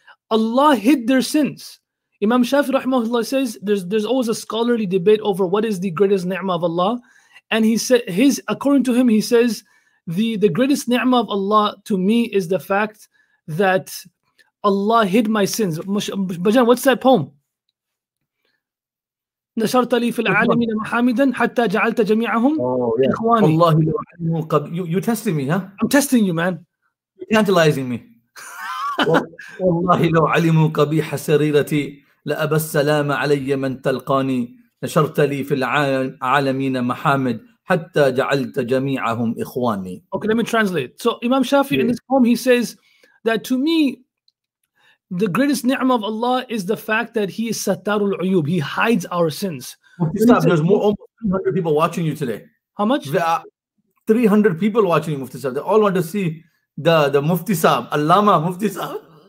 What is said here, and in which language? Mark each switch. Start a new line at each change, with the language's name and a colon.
English: Allah hid their sins. Imam Shafi rahimahullah says there's always a scholarly debate over what is the greatest ni'mah of Allah. And according to him, he says the greatest ni'mah of Allah to me is the fact that Allah hid my sins. Bajan, what's that poem?
Arabic: نشرت لي في العالمين محمدا حتى جعلت جميعهم إخواني.
English: Allah, you testing me, huh? I'm testing you, man. Tantalizing me.
Arabic: والله لو علموا قبيح سريرتي لأبى السلام علي من تلقاني نشرت لي في العالمين محامد حتى جعلت جميعهم إخواني.
English: Okay, let me translate. So Imam Shafi, yeah, in this poem, he says that to me, the greatest ni'mah of Allah is the fact that He is Sattarul Uyub. He hides our sins. Stop. There's almost 300 people watching you today. How much? There are 300 people watching you, Mufti Sahib. They all want to see the Mufti Saab, Allama Mufti Saab.